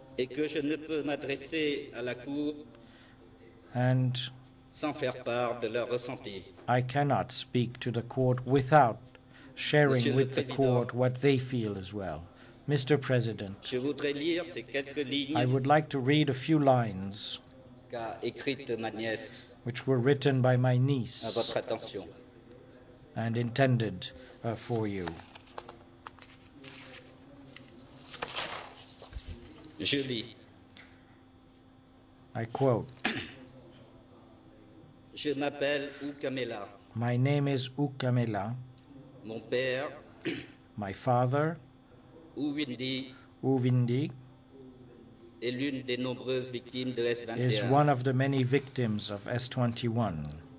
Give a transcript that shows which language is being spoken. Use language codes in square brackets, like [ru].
[fr] et que je ne peux m'adresser à la cour, [en] and [fr] sans faire part de leur ressenti. [en] I cannot speak to the court without sharing [fr] Monsieur [en] with the court what they feel as well. Mr. President, [fr] je voudrais lire ces quelques lignes, [en] I would like to read a few lines [fr] qu'a écrite ma nièce, [en] which were written by my niece [fr] à votre attention, [en] and intended for you. [fr] Je lis. [en] I quote. [fr] Je m'appelle Oukamela. [en] My name is Oukamela. [fr] Mon père, [en] my father, [fr] Uwindi, est l'une des nombreuses victimes de S21. [en] Is one of the many victims of S21.